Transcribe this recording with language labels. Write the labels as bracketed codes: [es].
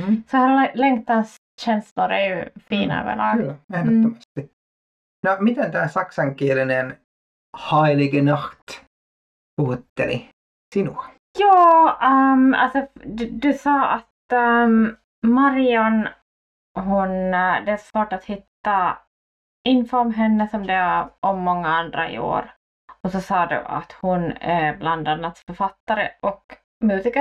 [sv] Så här längtanskänslor är ju fina överlag. [fi] Kyllä, ehdottomasti. No, miten tämä saksankielinen Heilige Nacht puhutteli sinua? [sv] Joo, alltså, du sa att Marion, hon, det är svårt att hitta info om henne som det är om många andra i år. Och så sa du att hon är bland annat författare och musiker.